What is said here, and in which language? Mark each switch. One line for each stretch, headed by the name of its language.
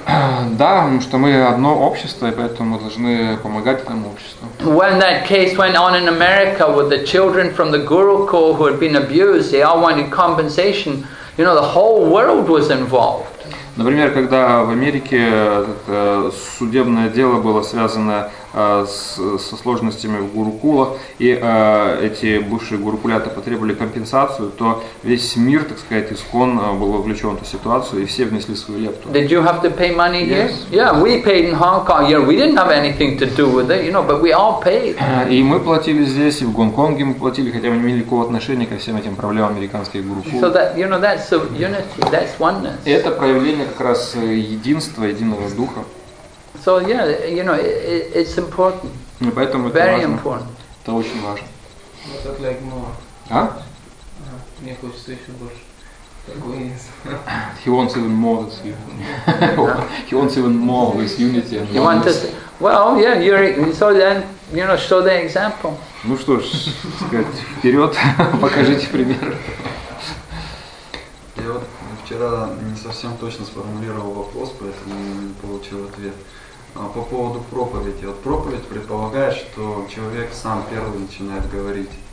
Russian: Да, потому что мы одно общество, и поэтому мы должны помогать этому обществу.
English: When that case went on in America with the children from the Gurukul who had been abused, they all wanted compensation. You know, the whole world was involved.
Russian: Например, когда в Америке это судебное дело было связано со сложностями в гурукулах, и эти бывшие гурукуляты потребовали компенсацию, то весь мир, так сказать, искон был вовлечен в эту ситуацию, и все внесли свою лепту.
English: Did you have to pay money here? Yes. Yeah, we paid in Hong Kong. Yeah, we didn't have anything to do with it, you know, but we all paid.
Russian: И мы платили здесь, и в Гонконге мы платили, хотя мы не имели никакого отношения ко всем этим проблемам американских гурукул.
English: So that, you know, that's unity, that's oneness.
Russian: И это проявление как раз единства, единого духа.
English: So yeah, you know, it's important.
Russian: И поэтому это
English: Very
Russian: важно.
English: Important.
Russian: Это очень важно. Вот так
English: like more.
Russian: А? Мне хочется еще больше. Такой.
English: He wants even more with unity. He wants even more with unity. And you want to well, yeah, you're so then, you know, show the example.
Russian: Ну что ж, сказать, вперед, покажите пример. Я вот вчера не совсем точно сформулировал вопрос, поэтому не получил ответ. По поводу проповеди. Вот проповедь предполагает, что человек сам первый начинает говорить.